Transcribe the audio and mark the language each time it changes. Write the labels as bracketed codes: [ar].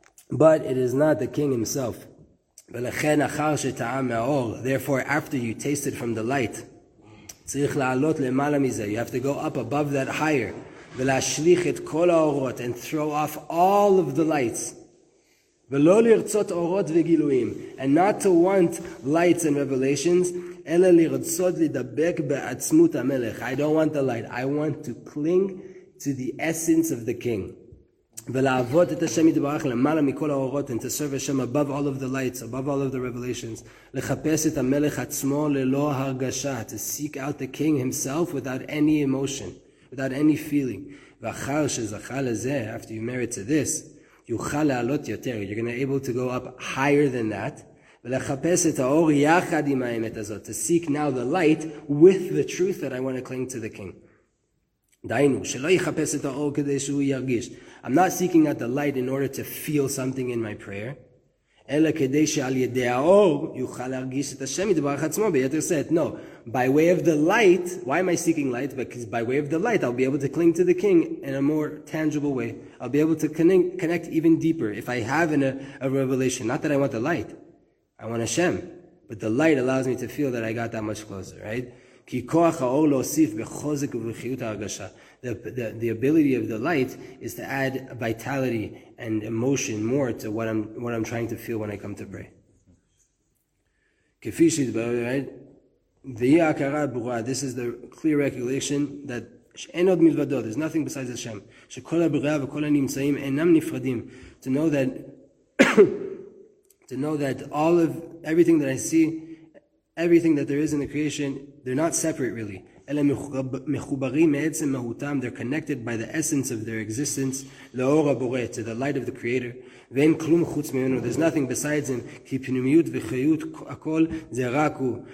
[en] But it is not the king himself. [he] ולכן אחר שטעם מהאור, [en] therefore after you tasted from the light, [he] צריך לעלות למעלה מזה, [en] you have to go up above that higher, [he] ולהשליך את כל האורות, [en] and throw off all of the lights. [he] ולא לרצות אורות וגילויים, [en] and not to want lights and revelations, [he] אלא לרצות לדבק בעצמות המלך. [en] I don't want the light, I want to cling to the essence of the king. [he] ולעבוד את השם יתברך למעלה מכל האורות, [en] and to serve Hashem above all of the lights, above all of the revelations, [he] לחפש את המלך עצמו ללא הרגשה, [en] to seek out the king himself without any emotion, without any feeling. [he] ואחר שזכה לזה, [en] after you merit to this, [he] יוכל לעלות יותר, [en] you're going to be able to go up higher than that, [he] ולחפש את האור יחד עם האמת הזאת, [en] to seek now the light with the truth that I want to cling to the king. [he] דיינו, שלא יחפש את האור כדי שהוא ירגיש. [en] I'm not seeking out the light in order to feel something in my prayer. [he] אלא כדי שעל ידי האור יוכל להרגיש את השם יתברך עצמו ביתר שאת. [en] No, by way of the light, why am I seeking light? Because by way of the light, I'll be able to cling to the king in a more tangible way. I'll be able to connect even deeper if I have a revelation. Not that I want the light. I want Hashem. But the light allows me to feel that I got that much closer, right? [he] כי כוח האור להוסיף בחוזק ובחיות ההרגשה. [en] The ability of the light is to add vitality and emotion more to what I'm trying to feel when I come to pray. [he] כפי שהתברר, והיא ההכרה הברורה, [en] this is the clear recognition that [he] שאין עוד מלבדו, [en] there's nothing besides Hashem, [he] שכל הבריאה וכל הנמצאים אינם נפרדים. [en] To know that all of everything that I see, everything that there is in the creation, they're not separate really. [he] אלא מחוברים מעצם מהותם, [en] they're connected by the essence of their existence, [he] לאור הבורא, [en] to the light of the creator, [he] ואין כלום חוץ ממנו, [en] there's nothing besides him, [he] כי פנימיות וחיות הכל זה רק הוא.